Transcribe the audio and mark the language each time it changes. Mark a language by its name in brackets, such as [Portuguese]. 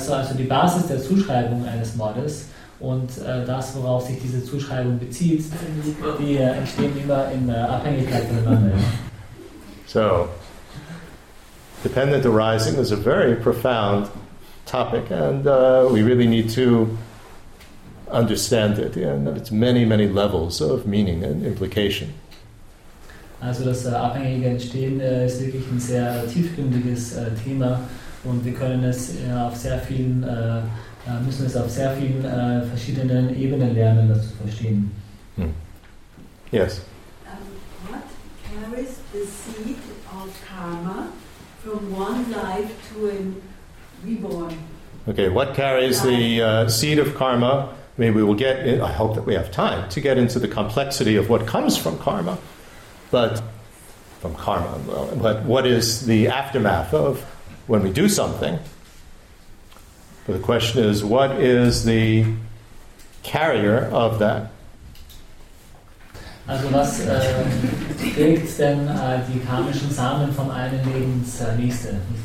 [German] So also die Basis der Zuschreibung eines Mordes und das, worauf sich diese Zuschreibung bezieht, die entstehen immer in Abhängigkeit voneinander. [English] So, dependent arising is a very profound topic, and we really need to understand it in its many, many levels of meaning and implication. [German] Also das abhängige Entstehen ist wirklich ein sehr tiefgründiges Thema, und wir können es auf sehr vielen müssen es auf sehr vielen verschiedenen Ebenen lernen, das zu verstehen. Hmm. [English] Yes. What carries the seed of karma from one life to a reborn? Okay, what carries the seed of karma? Maybe we will get in, I hope that we have time to get into the complexity of what comes from karma, but what is the aftermath of when we do something? But the question is, what is the carrier of that? [German] Also was trägt denn die karmischen Samen vom einen Leben ins nächste?